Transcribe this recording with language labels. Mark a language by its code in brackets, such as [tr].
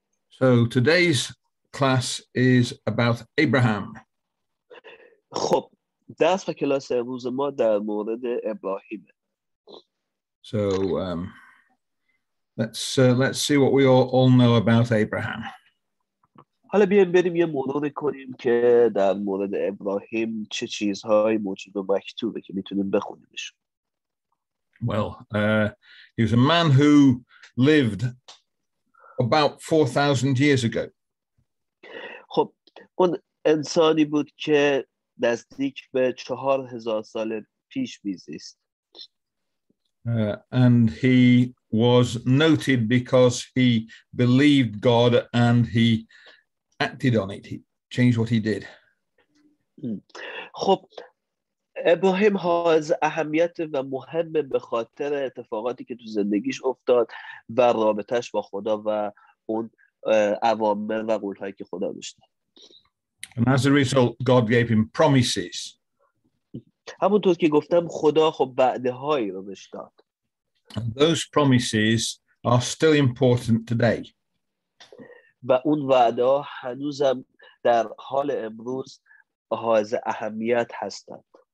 [en] So today's class is about Abraham. [fa] خب درس و کلاس امروز ما در مورد ابراهیم. [en] So let's see what we all know about Abraham. [fa] حالا بیایم بریم یه مرور کنیم که در مورد ابراهیم چه چیزهایی موجود و مکتوبه که میتونیم بخونیمش. [en] Well, he was a man who lived about 4,000 years ago. [fa] خب اون انسانی بود که نزدیک به 4,000 سال پیش میزیست. [en] And he was noted because he believed God and he acted on it. He changed what he did. [fa] خب ابراهیم ها از اهمیت و مهم به خاطر اتفاقاتی که تو زندگیش افتاد و رابطش با خدا و اون اوامر و قولهایی که خدا داشته. [en] And as a result, God gave him promises. [fa] همونطور که گفتم خدا خب وعده هایی رو بهش داد. [en] And those promises are still important today. [fa] و اون وعده ها هنوزم در حال امروز حائز اهمیت هستند.